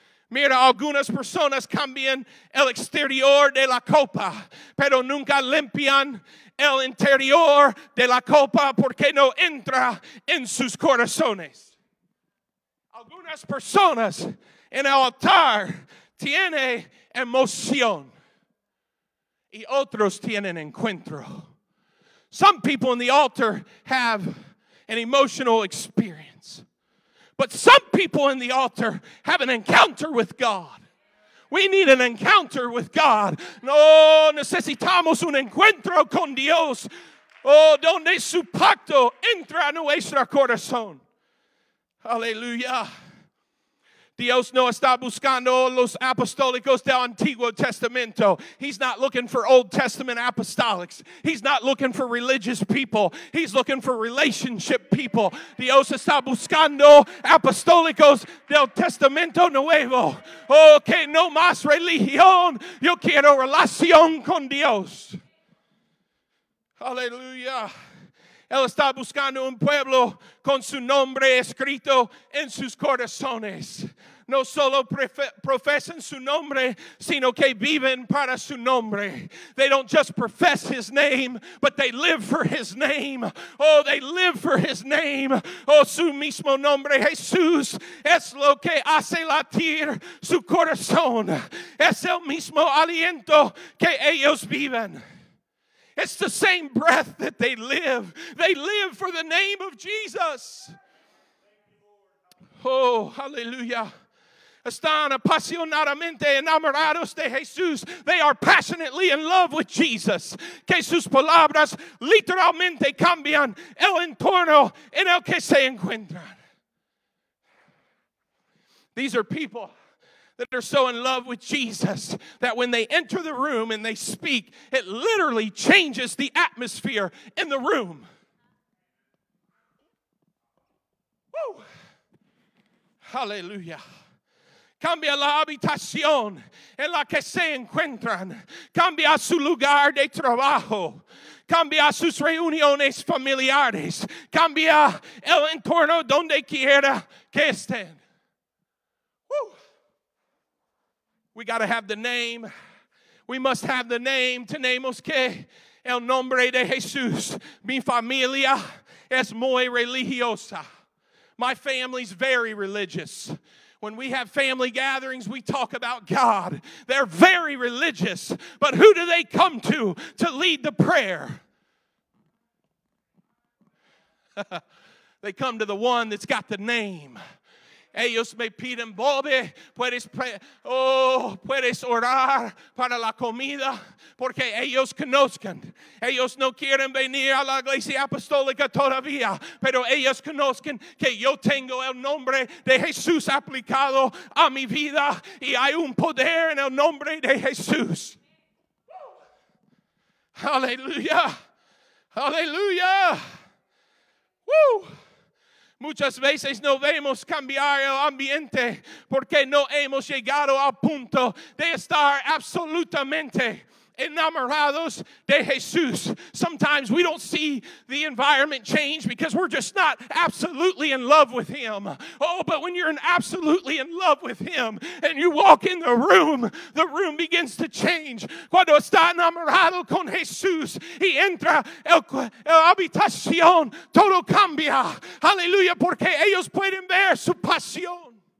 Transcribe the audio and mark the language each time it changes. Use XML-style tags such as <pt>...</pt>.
<es>Mira, algunas personas cambian el exterior de la copa, pero nunca limpian el interior de la copa porque no entra en sus corazones. Algunas personas en el altar tienen emoción y otros tienen encuentro.</es> <en>Some people in the altar have an emotional experience. But some people in the altar have an encounter with God. We need an encounter with God.</en> <es>No necesitamos un encuentro con Dios. Oh, donde su pacto entra en nuestro corazón. Aleluya. Dios no está buscando los apostólicos del Antiguo Testamento.</es> <en>He's not looking for Old Testament apostolics. He's not looking for religious people. He's looking for relationship people.</en> <es>Dios está buscando apostólicos del Testamento Nuevo. Okay, no más religión. Yo quiero relación con Dios. Aleluya. Él está buscando un pueblo con su nombre escrito en sus corazones. No solo profesan su nombre, sino que viven para su nombre.</es> <en>They don't just profess his name, but they live for his name. Oh, they live for his name.</en> <es>Oh, su mismo nombre, Jesús, es lo que hace latir su corazón. Es el mismo aliento que ellos viven.</es> <en>It's the same breath that they live. They live for the name of Jesus.</en> <es>Oh, hallelujah. Están apasionadamente enamorados de Jesús.</es> <en>They are passionately in love with Jesus.</en> <es>Que sus palabras literalmente cambian el entorno en el que se encuentran.</es> <en>These are people that are so in love with Jesus that when they enter the room and they speak, it literally changes the atmosphere in the room. Woo! Hallelujah.</en> <es>Cambia la habitación en la que se encuentran. Cambia su lugar de trabajo. Cambia sus reuniones familiares. Cambia el entorno donde quiera que estén. Woo.</es> <en>We got to have the name. We must have the name.</en> <es>Tenemos que el nombre de Jesús. Mi familia es muy religiosa.</es> <en>My family's very religious. When we have family gatherings, we talk about God. They're very religious. But who do they come to lead the prayer? They come to the one that's got the name.</en> <es>Ellos me piden, Bobby, puedes orar para la comida, porque ellos conozcan. Ellos no quieren venir a la iglesia apostólica todavía, pero ellos conozcan que yo tengo el nombre de Jesús aplicado a mi vida, y hay un poder en el nombre de Jesús. Aleluya. Aleluya. Woo. Muchas veces no vemos cambiar el ambiente porque no hemos llegado al punto de estar absolutamente enamorados de Jesús.</es> <en>Sometimes we don't see the environment change because we're just not absolutely in love with him. Oh, but when you're absolutely in love with him and you walk in the room begins to change.</en> <es>Cuando está enamorado con Jesús y entra el habitación, todo cambia. Hallelujah, porque ellos pueden ver su pasión.</es>